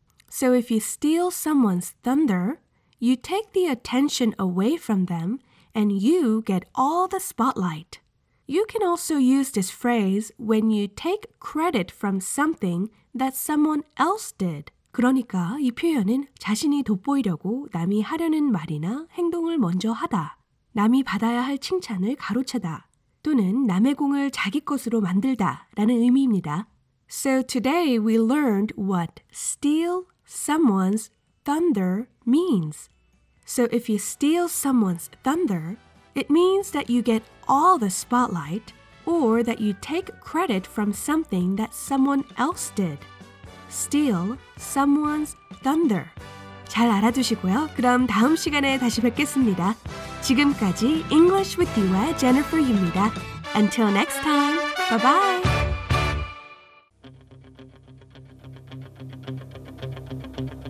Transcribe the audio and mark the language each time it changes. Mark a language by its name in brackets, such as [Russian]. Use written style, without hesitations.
[English] So if you steal someone's thunder, you take the attention away from them and you get all the spotlight. You can also use this phrase when you take credit from something that someone else did. [Korean] 그러니까 이 표현은 자신이 돋보이려고 남이 하려는 말이나 행동을 먼저 하다, 남이 받아야 할 칭찬을 가로채다, 또는 남의 공을 자기 것으로 만들다 라는 의미입니다. [English] So today we learned what steal someone's thunder means. So if you steal someone's thunder, it means that you get all the spotlight or that you take credit from something that someone else did. Steal someone's thunder. [Korean] 잘 알아두시고요. 그럼 다음 시간에 다시 뵙겠습니다. 지금까지 [English] English with you와 Jennifer입니다. Until next time, bye-bye. Bye.